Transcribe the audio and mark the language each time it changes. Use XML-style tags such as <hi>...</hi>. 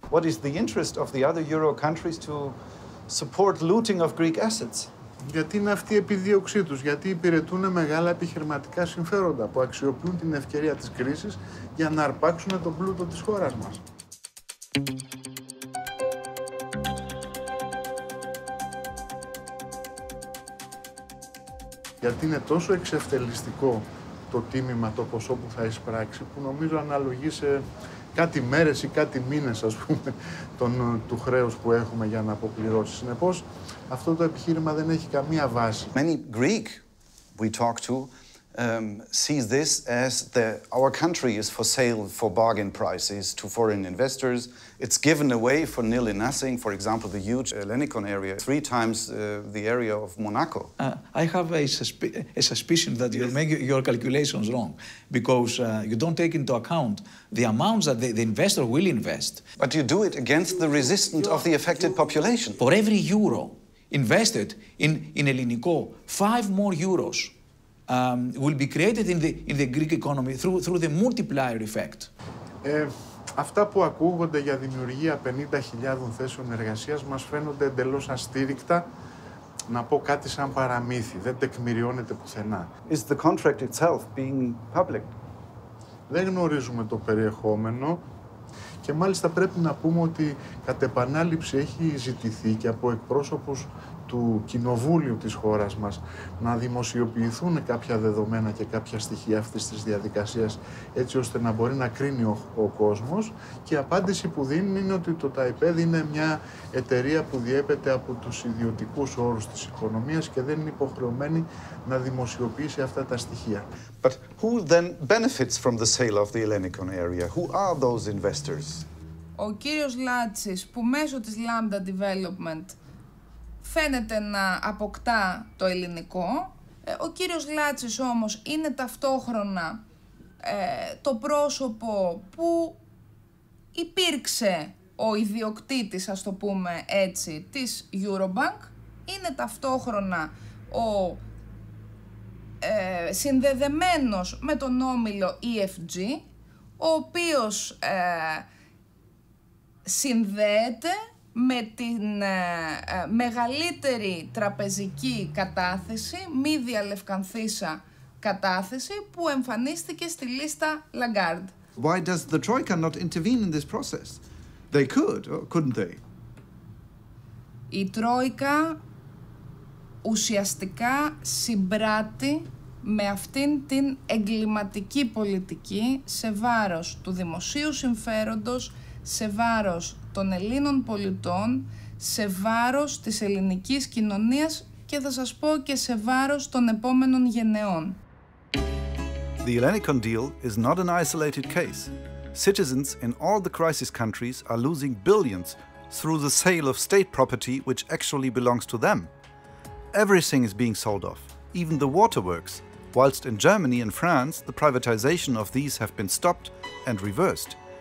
<en>What is the interest of the other Euro countries to support looting of Greek assets?</en> <el>Γιατί είναι αυτή η επιδίωξή τους, γιατί υπηρετούν μεγάλα επιχειρηματικά συμφέροντα που αξιοποιούν την ευκαιρία της κρίσης για να αρπάξουν το πλούτο της χώρας μας. Γιατί είναι τόσο εξευτελιστικό το τίμημα, το ποσό που θα εισπράξει, που νομίζω αναλογεί σε κάτι μέρες ή κάτι μήνες, ας πούμε, του χρέους που έχουμε για να αποπληρώσει. Συνεπώς, αυτό το επιχείρημα δεν έχει καμία βάση.</el> <en>Many Greek we talk to sees this as our country is for sale for bargain prices to foreign investors. It's given away for nearly nothing. For example, the huge Hellenicon area, 3 times the area of Monaco. I have a suspicion that you're making your calculations wrong, because you don't take into account the amounts that the investor will invest. But you do it against the resistance of the affected population. For every euro invested in Hellenicon, 5 more euros. Will be created in the Greek economy through the multiplier effect.</en> <el>Αυτά που ακούγονται για δημιουργία 50.000 θέσεων εργασίας μας φαίνονται εντελώς αστήρικτα, να πω κάτι σαν παραμύθι, δεν τεκμηριώνεται πουθενά.</el> <en>Is the contract itself being public?</en> <el>Δεν γνωρίζουμε το περιεχόμενο και μάλιστα πρέπει να πούμε ότι κατ' επανάληψη έχει ζητηθεί και από εκπρόσωπους του κοινοβούλιου της χώρας μας να δημοσιοποιηθούν κάποια δεδομένα και κάποια στοιχεία αυτής της διαδικασίας, έτσι ώστε να μπορεί να κρίνει ο κόσμος. Και η απάντηση που δίνουν είναι ότι το ΤΑΙΠΕΔ είναι μια εταιρεία που διέπεται από τους ιδιωτικούς όρους της οικονομίας και δεν είναι υποχρεωμένη να δημοσιοποιήσει αυτά τα στοιχεία.</el> <en>But who then benefits from the sale of the Hellenicon area? Who are those investors?</en> <el>Ο κύριος Λάτσης, που μέσω της Lambda Development φαίνεται να αποκτά το Hellenicon. Ο κύριος Λάτσης όμως είναι ταυτόχρονα το πρόσωπο που υπήρξε ο ιδιοκτήτης, ας το πούμε έτσι, της Eurobank. Είναι ταυτόχρονα ο συνδεδεμένος με τον όμιλο EFG, ο οποίος συνδέεται με την μεγαλύτερη τραπεζική κατάθεση, μη διαλευκανθήσα κατάθεση που εμφανίστηκε στη λίστα Lagarde.</el> <en>Why does the Troika not intervene in this process? They could, or couldn't they?</en> <el>Η Τρόικα ουσιαστικά συμπράττει με αυτήν την εγκληματική πολιτική σε βάρος του δημοσίου συμφέροντος, σε βάρος των Ελλήνων πολιτών, σε βάρος της ελληνικής κοινωνίας και θα σας πω και σε βάρος των επόμενων γενεών.</el> <en>The Ellenicon deal is not an isolated case. Citizens in all the crisis countries are losing billions through the sale of state property which actually belongs to them. Everything is being sold off, even the waterworks, whilst in Germany and France the privatization of these have been stopped and reversed.</en>